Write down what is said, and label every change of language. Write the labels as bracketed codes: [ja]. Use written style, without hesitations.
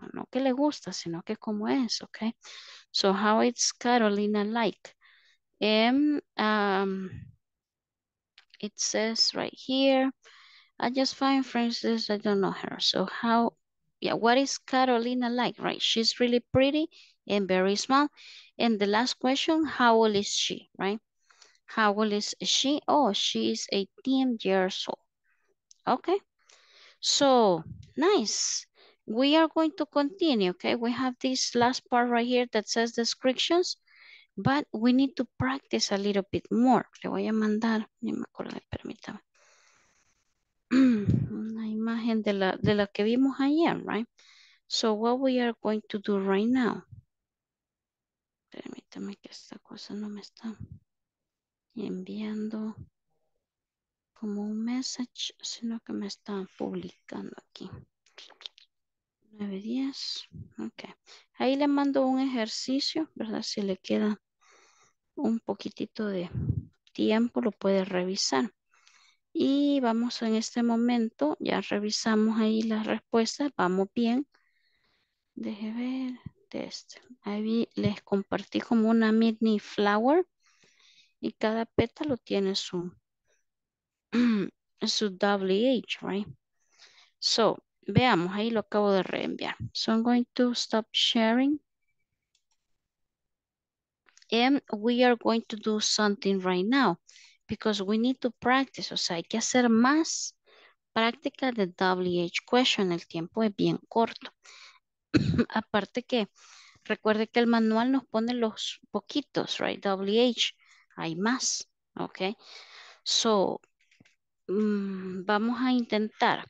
[es] No que le gusta, sino que cómo es. [en] Okay. So, how is Carolina like? It says right here, I just find Francis, I don't know her. So, how, yeah, what is Carolina like? Right. She's really pretty and very small. And the last question, how old is she? Right. How old is she? Oh, she's 18 years old. Okay. So, nice. We are going to continue, okay? We have this last part right here that says descriptions, but we need to practice a little bit more. [es] Le voy a mandar, ni me acuerdo, permítame. Una imagen de la que vimos ayer, right? [en] So, what we are going to do right now. [es] Permítame que esta cosa no me está... enviando como un message, sino que me está publicando aquí. 9:10. Ok. Ahí le mando un ejercicio, ¿verdad? Si le queda un poquitito de tiempo, lo puede revisar. Y vamos en este momento, ya revisamos ahí las respuestas, vamos bien. Deje ver. Test. Ahí les compartí como una mini flower. Y cada pétalo tiene su WH, right? [en] So, veamos, ahí lo acabo de reenviar. So, I'm going to stop sharing. And we are going to do something right now. Because we need to practice. [es] O sea, hay que hacer más práctica de WH question. El tiempo es bien corto. Aparte que, recuerde que el manual nos pone los poquitos, right? WH. Hay más, ok. So, vamos a intentar.